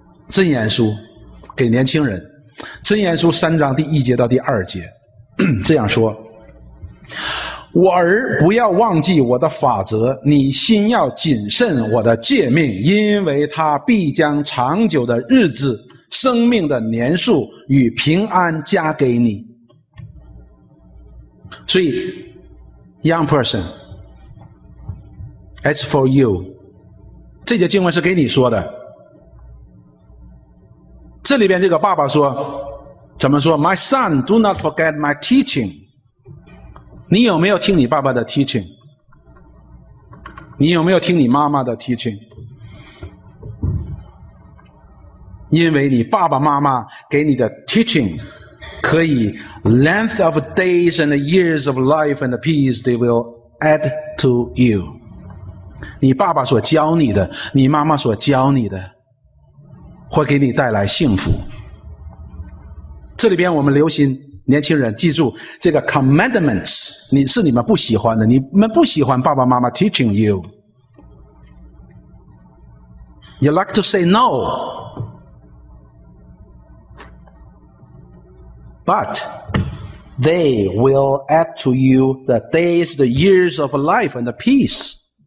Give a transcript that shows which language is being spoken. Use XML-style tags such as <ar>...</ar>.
<zh>箴言书给年轻人，箴言书三章第一节到第二节这样说，我儿不要忘记我的法则，你心要谨慎我的诫命，因为它必将长久的日子、生命的年数与平安加给你。所以</zh> <en>young person, it's for you,</en> <zh>这节经文是给你说的。这里边这个爸爸说怎么说，</zh> <en>My son, do not forget my teaching。</en> <zh>你有没有听你爸爸的 teaching? 你有没有听你妈妈的 teaching? 因为你爸爸妈妈给你的</zh> <en>teaching</en> <zh>可以</zh> <en>length of days and years of life and peace they will add to you。</en> <zh>你爸爸所教你的，你妈妈所教你的会给你带来幸福。这里边我们留心，年轻人记住这个</zh> <en>commandments,</en> <zh>你是你们不喜欢的，你们不喜欢爸爸妈妈</zh> <en>teaching you, you like to say no, but they will add to you the days, the years of life and the peace.</en>